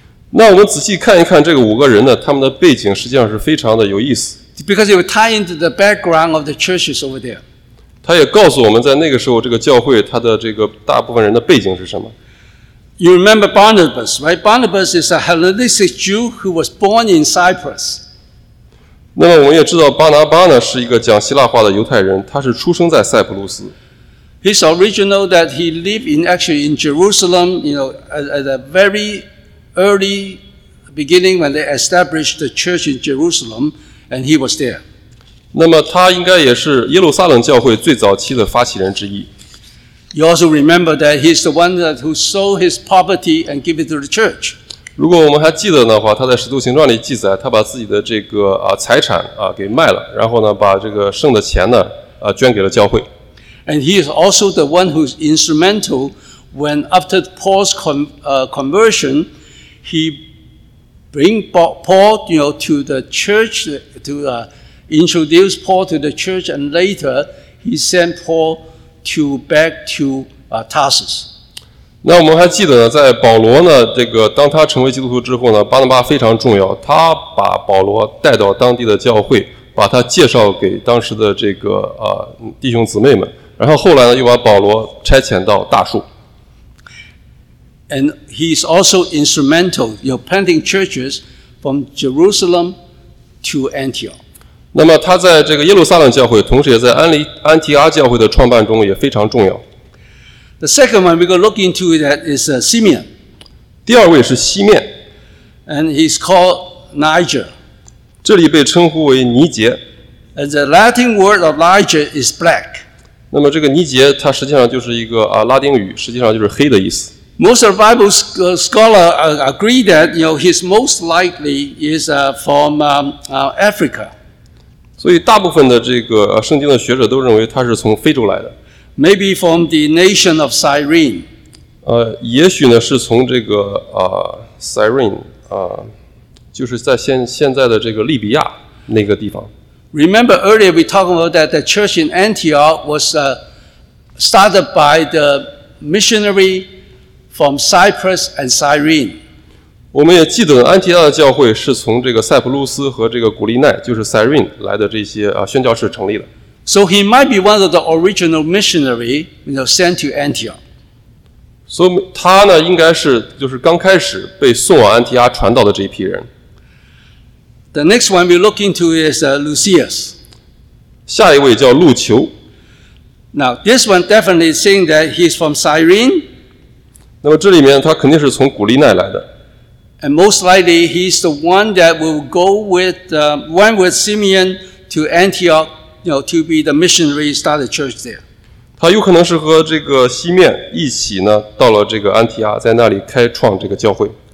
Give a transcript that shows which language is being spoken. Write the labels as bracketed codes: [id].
[zh] 那我们仔细看一看这个五个人呢，他们的背景实际上是非常的有意思。 [en] Because it will tie into the background of the churches over there. [zh] 他也告诉我们在那个时候这个教会他的这个大部分人的背景是什么。 [en] You remember Barnabas, right? Barnabas is a Hellenistic Jew who was born in Cyprus. [zh] 那么我们也知道巴拿巴呢是一个讲希腊话的犹太人，他是出生在塞浦路斯。 [en] He's original that he lived in actually in Jerusalem, you know, at a very early beginning when they established the church in Jerusalem, and he was there. [zh] 那么他应该也是耶路撒冷教会最早期的发起人之一。 [en] You also remember that he's the one that who sold his property and gave it to the church. [zh] 如果我们还记得的话，他在《使徒行传》里记载，他把自己的这个财产给卖了，然后呢，把这个剩的钱呢捐给了教会。 [en] And he is also the one who's instrumental when after Paul's conversion, he bring Paul, you know, to the church to introduce Paul to the church, and later he sent Paul to back to Tarsus. [zh] 那我们还记得呢，在保罗呢，这个当他成为基督徒之后呢，巴拿巴非常重要，他把保罗带到当地的教会，把他介绍给当时的这个弟兄姊妹们，然后后来呢，又把保罗差遣到大树。 [en] And he is also instrumental in planting churches from Jerusalem to Antioch. [zh] 那么他在这个耶路撒冷教会，同时也在安提阿教会的创办中也非常重要。 [en] The second one we're going to look into that is Simeon. [zh] 第二位是西面。 [en] And he's called Niger. [zh] 这里被称呼为尼杰。 [en] And the Latin word of Niger is black. [zh] 那么这个尼杰它实际上就是一个拉丁语，实际上就是黑的意思。 [en] Most of the Bible scholars agree that, you know, he's most likely is from Africa. [zh] 所以大部分的这个圣经的学者都认为他是从非洲来的。 [en] Maybe from the nation of Cyrene. [zh] 也许呢是从这个Cyrene, 就是在现在的这个利比亚那个地方。 [en] Remember earlier we talked about that the church in Antioch was started by the missionary from Cyprus and Cyrene. [zh] 我们也记得安提阿的教会是从这个塞浦路斯和这个古利奈，就是 Cyrene 来的这些宣教士成立的。 [en] So he might be one of the original missionary, you know, sent to Antioch. [zh] So 他呢应该是就是刚开始被送往安提阿传道的这一批人。 [en] The next one we look into is Lucius. [zh] 下一位叫路求。 [en] Now this one definitely saying that he's from Cyrene. [zh] 那么这里面他肯定是从古利奈来的。 [en] And most likely he's the one that will go with went with Simeon to Antioch. You know, to be the missionary start the church there. [zh] 他有可能是和这个西面一起呢，到了这个安提阿，在那里开创这个教会。